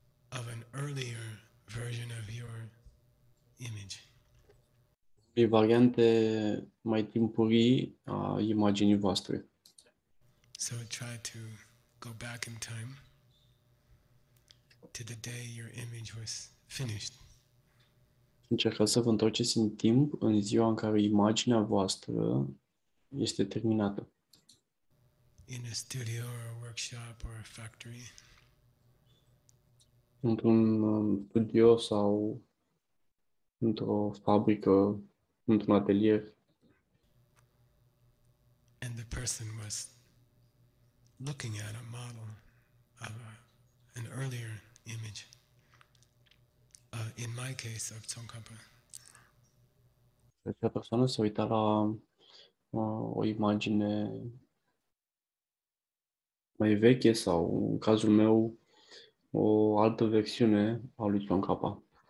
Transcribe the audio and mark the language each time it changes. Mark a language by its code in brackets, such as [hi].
[en] Of an earlier version of your image. [ro] E variante mai timpurii a imaginii voastre. [en] So try to go back in time to the day your image was finished. [ro] Încercați să vă întorceți în timp în ziua în care imaginea voastră este terminată. [en] In a studio or a workshop or a factory. [ro] Într-un studio sau într-o fabrică, într-un atelier. [en] And the person was looking at a model of an earlier image, in my case of Tsongkhapa. [ro] Acea persoană se uita la o imagine mai veche sau, în cazul meu, o altă versiune a lui Tsongkhapa.